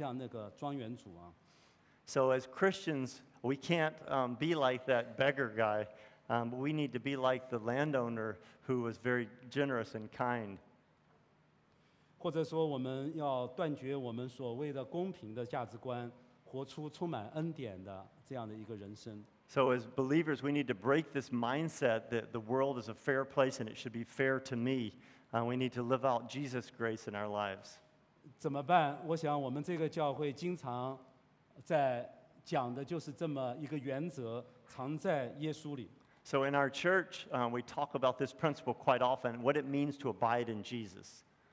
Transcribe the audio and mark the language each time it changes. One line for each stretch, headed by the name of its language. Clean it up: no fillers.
Chinese: 所以今天我们基督徒，我们不能像这个要饭的，我们要像那个庄园主啊。
English: So as Christians, we can't be like that beggar guy. We need to be like the landowner who was very generous and kind.
Chinese: 或者说，我们要断绝我们所谓的公平的价值观，活出充满恩典的这样的一个人生。
English: So as believers, we need to break this mindset that the world is a fair place and it should be fair to me. We need to live out Jesus' grace in our lives.
Chinese: 怎么办? 我想我们这个教会经常在讲的就是这么一个原则, 藏在耶稣里。
English: So in our church, we talk about this principle quite often, what it means to abide in Jesus.